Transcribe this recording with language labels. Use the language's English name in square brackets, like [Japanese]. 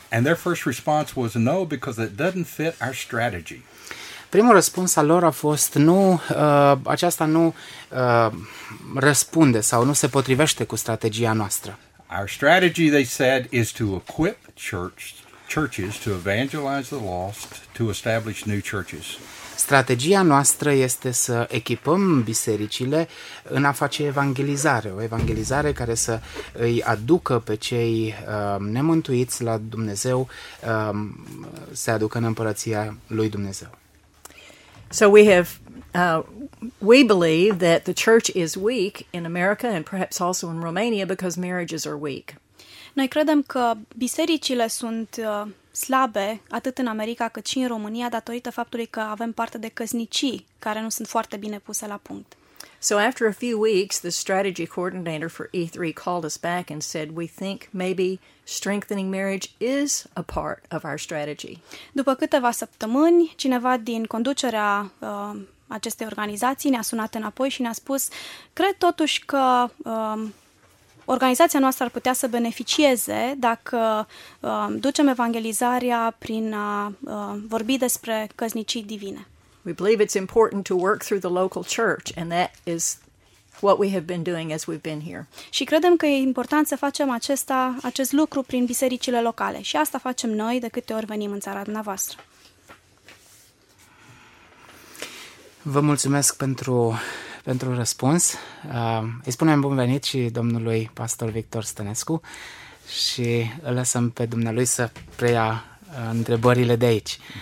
[English] And their first response was no, because it doesn't fit our strategy. [Romanian] Primul răspuns al lor a fost nu, aceasta nu răspunde sau nu se potrivește cu strategia noastră. [English] Our strategy, they said, is to equip churches to evangelize the lost, to establish new churches. [Romanian] Strategia noastră este să echipăm bisericile în a face evangelizare, o evangelizare care să îi aducă pe cei nemântuiți la Dumnezeu, să aducă în împărăția lui Dumnezeu. [English] So we have we believe that the church is weak in America and perhaps also in Romania because marriages are weak. [Romanian] Noi credem că bisericile sunt slabe atât în America cât și în România datorită faptului că avem parte de căsnicii care nu sunt foarte bine puse la punct. [English] So after a few weeks, the strategy coordinator for E3 called us back and said, we think maybe strengthening marriage is a part of our strategy. [Romanian] După câteva săptămâni, cineva din conducerea acestei organizații ne-a sunat înapoi și ne-a spus, cred totuși că organizația noastră ar putea să beneficieze dacă ducem evangelizarea prin a vorbi despre căsnicii divine. [English] We believe it's important to work through the local church, and that is what we have been doing as we've been here. [Romanian] Și credem că e important să facem acest lucru prin bisericile locale. Și asta facem noi de câte ori venim în țara dumneavoastră. Vă mulțumesc pentru răspuns. Îi spunem bun venit și domnului pastor Victor Stănescu și îl lăsăm pe dumnealui să preia întrebările de aici.